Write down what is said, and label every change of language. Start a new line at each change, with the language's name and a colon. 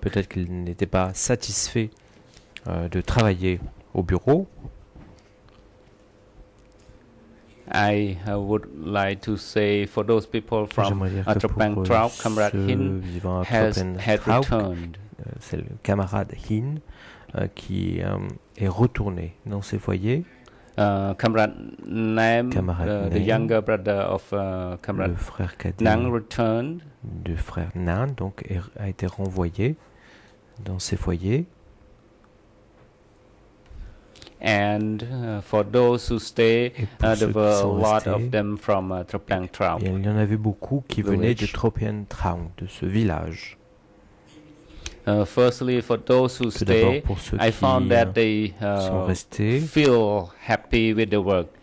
French: Peut-être qu'ils n'étaient pas satisfaits de travailler au bureau.
English: I would like to say for those people from Atropentrauk, Comrade Hin has had returned.
French: C'est le camarade Hin qui est retourné dans ses foyers.
English: Comrade Nam, the younger brother of Comrade Nang, returned.
French: Le frère Nang donc a été renvoyé dans ses foyers.
English: And for those who stay, there were a lot of them from Tropentrauk.
French: Il y en avait beaucoup qui venaient de Tropentrauk, de ce village.
English: Firstly, for those who stay, I found that they feel happy with the work.